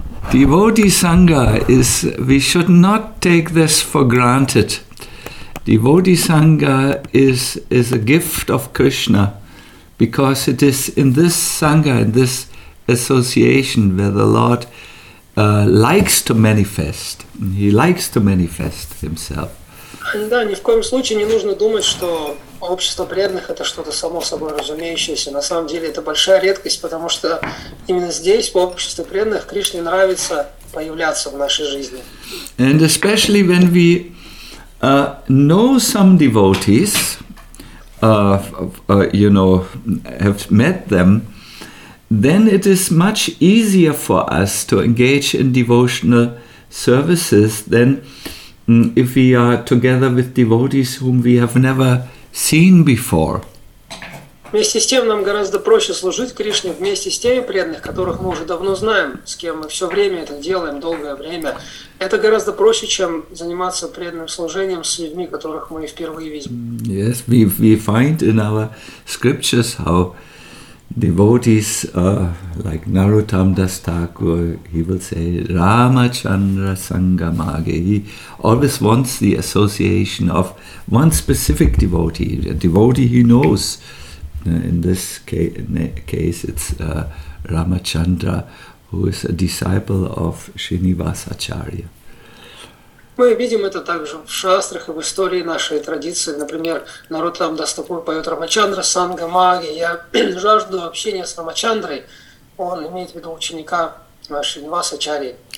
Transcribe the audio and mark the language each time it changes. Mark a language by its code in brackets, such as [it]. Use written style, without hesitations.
[en] Devotee Sangha is, we should not take this for granted. Devotee Sangha is a gift of Krishna, because it is in this Sangha, in this association, where the Lord likes to manifest. He likes to manifest himself. [ru] Да, ни в коем случае не нужно думать, что общество преданных – это что-то само собой разумеющееся. На самом деле это большая редкость, потому что именно здесь, в обществе преданных, Кришне нравится появляться в нашей жизни. [en] And especially when we know some devotees, you know, have met them, then it is much easier for us to engage in devotional services than if we are together with devotees whom we have never seen before. [ru] Вместе с тем нам гораздо проще служить Кришне вместе с теми преданных, которых мы уже давно знаем, с кем мы все время это делаем, долгое время. Это гораздо проще, чем заниматься преданным служением с людьми, которых мы впервые видим. [en] Yes, we find in our scriptures how devotees like Narottam Das Thakur, he will say Ramachandra Sangamage. He always wants the association of one specific devotee, a devotee he knows. In this case, it's Ramachandra, who is a disciple of Srinivasacharya. [ru] Мы видим это также в шастрах и в истории нашей традиции. Например, народ там Дастапур поет Рамачандра Сангамаги. Я жажду общения с Рамачандрой. Он имеет в виду ученика Шринивасачарьи.